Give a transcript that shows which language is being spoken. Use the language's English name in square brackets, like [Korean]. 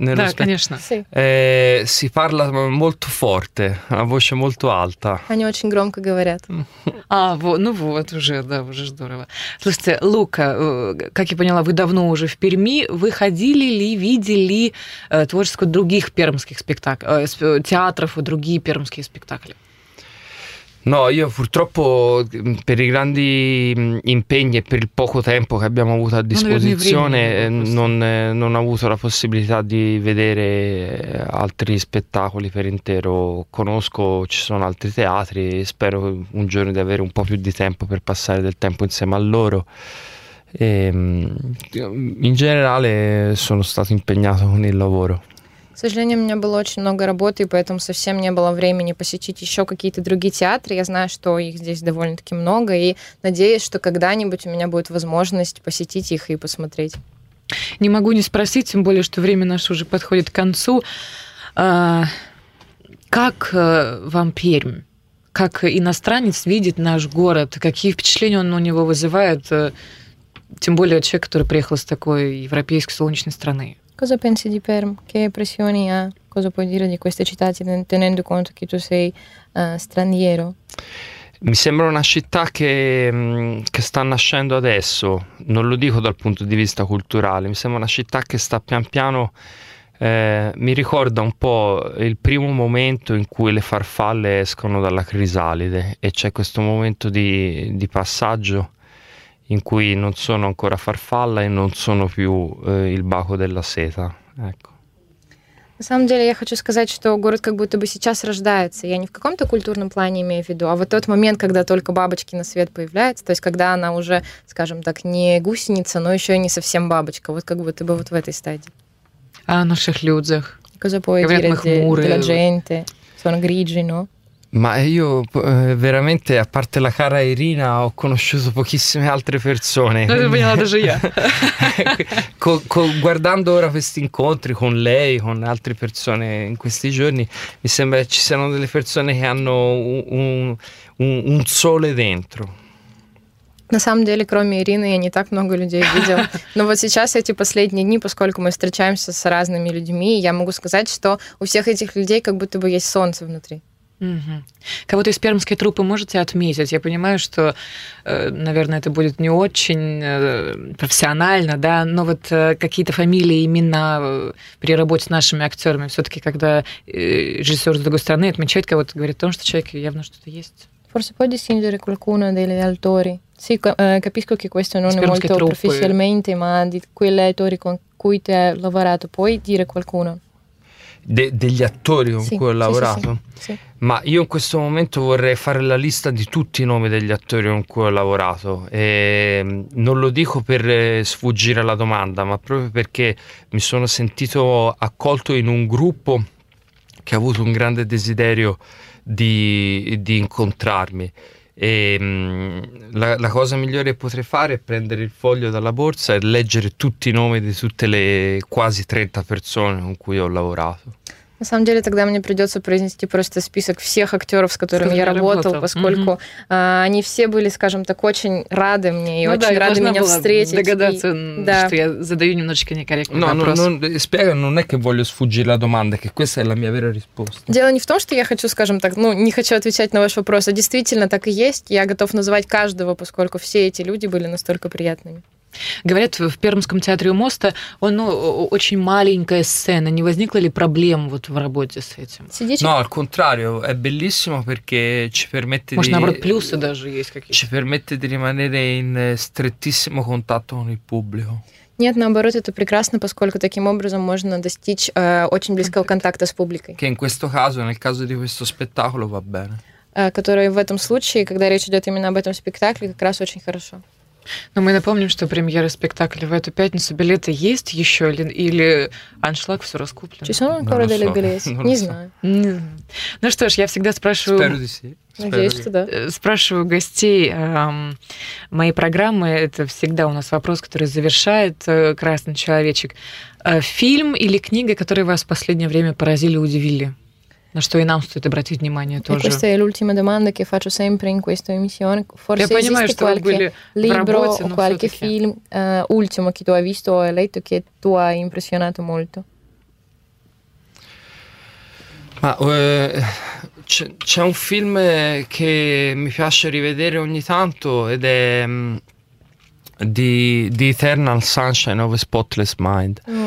[Russian] Nello da, конечно. [Italian] Sì. Si parla molto forte, a voce molto alta. [Russian] Они очень громко говорят. А, ну вот уже, да, уже здорово. Слушайте, Лука, как я поняла, вы давно уже в Перми. Вы ходили ли, видели творчество других пермских театров и другие пермские спектакли? [Italian] No, io purtroppo per i grandi impegni e per il poco tempo che abbiamo avuto a disposizione non ho avuto la possibilità di vedere altri spettacoli per intero. Conosco, ci sono altri teatri, spero un giorno di avere un po' più di tempo per passare del tempo insieme a loro. E, in generale sono stato impegnato con il lavoro. [Russian] К сожалению, у меня было очень много работы, и поэтому совсем не было времени посетить еще какие-то другие театры. Я знаю, что их здесь довольно-таки много, и надеюсь, что когда-нибудь у меня будет возможность посетить их и посмотреть. Не могу не спросить, тем более, что время наше уже подходит к концу. Как вам Пермь? Как иностранец видит наш город? Какие впечатления он у него вызывает? Тем более человек, который приехал из такой европейской солнечной страны. [Italian] Cosa pensi di Perm? Che impressioni ha? Cosa puoi dire di questa città tenendo conto che tu sei straniero? Mi sembra una città che sta nascendo adesso, non lo dico dal punto di vista culturale, mi sembra una città che sta pian piano, mi ricorda un po' il primo momento in cui le farfalle escono dalla crisalide e c'è questo momento di passaggio in cui non sono ancora farfalla e non sono più il baco della seta, ecco. [Russian] На самом деле, я хочу сказать, что город как будто бы сейчас рождается. Я не в каком-то культурном плане имею в виду, а вот тот момент, когда только бабочки на свет появляются, то есть когда она уже, скажем так, не гусеница, но еще и не совсем бабочка, вот как будто бы вот в этой стадии. А о наших людях? Говорят, мы хмуры. [Italian] Для gente, sono grigi, no? Ma io veramente, a parte la cara Irina, ho conosciuto pochissime altre persone. Non ho venuto già io. Guardando ora questi incontri con lei, con altre persone in questi giorni, mi sembra che ci siano delle persone che hanno un sole dentro. [Russian] На самом деле, кроме Ирины, я не так много людей видела. Но вот сейчас, эти последние дни, поскольку мы встречаемся с разными людьми, я могу сказать, что у всех этих людей как будто бы есть солнце внутри. Угу. Кого-то из пермской труппы можете отметить? Я понимаю, что, наверное, это будет не очень профессионально, да, но вот какие-то фамилии, имена при работе с нашими актерами, все-таки, когда режиссер с другой стороны отмечает кого-то, говорит о том, что человек явно что-то есть. [Italian] Forse può distinguere qualcuno degli attori. Sì, capisco che questo non è molto professionalmente, ma di quegli attori con cui ti hai lavorato, puoi dire qualcuno? Degli attori con cui ho lavorato? Sì. Ma io in questo momento vorrei fare la lista di tutti i nomi degli attori con cui ho lavorato. E non lo dico per sfuggire alla domanda, ma proprio perché mi sono sentito accolto in un gruppo che ha avuto un grande desiderio di incontrarmi. E la cosa migliore che potrei fare è prendere il foglio dalla borsa e leggere tutti i nomi di tutte le quasi 30 persone con cui ho lavorato. [Russian] На самом деле, тогда мне придется произнести просто список всех актеров, с которыми я работал, поскольку они все были, скажем так, очень рады мне и очень рады меня встретить. Догадаться, что я задаю немножечко некорректный вопрос. [Italian] Non è che voglio sfuggire la domanda, che questa è la mia vera risposta. [Russian] Дело не в том, что я хочу, скажем так, не хочу отвечать на ваш вопрос, а действительно так и есть. Я готов называть каждого, поскольку все эти люди были настолько приятными. Говорят, в Пермском театре у моста он очень маленькая сцена. Не возникло ли проблем вот в работе с этим? [Italian] No, al contrario, è bellissimo perché ci permette [Russian] Может, наоборот, плюсы даже есть какие-то. [Italian] Ci permette di rimanere in strettissimo contatto con il pubblico. [Russian] Нет, наоборот, это прекрасно, поскольку таким образом можно достичь очень близкого контакта с публикой. [Italian] Che in questo caso, nel caso di questo spettacolo va bene. [Russian] Который в этом случае, когда речь идет именно об этом спектакле, как раз очень хорошо. Но мы напомним, что премьера спектакля в эту пятницу. Билеты есть еще или аншлаг все раскуплен? [Italian] Чи сон ancora delle biglietti? [Russian] Не знаю. Ну что ж, я всегда спрашиваю... Надеюсь, что да. Спрашиваю гостей моей программы. Это всегда у нас вопрос, который завершает «Красный человечек». Фильм или книга, которые вас в последнее время поразили, удивили? На что и нам стоит обратить внимание тоже. [Italian] Questa è l'ultima domanda che faccio sempre in questa emissione. Forse [Russian] я понимаю, что вы были [Italian] libro, [Russian] в работе, но [Italian] qualche film ultimo che tu hai visto o hai letto che tu ha impressionato molto. Ma c'è un film che mi piace rivedere ogni tanto ed è di Eternal Sunshine of a Spotless Mind.